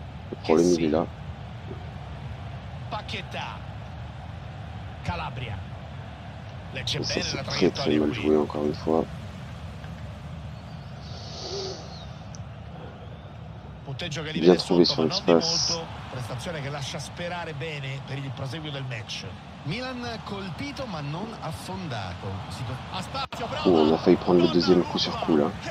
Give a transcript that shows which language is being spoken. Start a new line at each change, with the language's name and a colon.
French: Le problème il est là. Paqueta. Calabria. Ça c'est très très mal joué encore une fois. Bien trouvé sur l'espace.
Italian: Prestazione che lascia sperare bene per il proseguo del match. Milan colpito ma non affondato. A spazio, bravo.
French: On a failli prendre le deuxième coup sur coup là.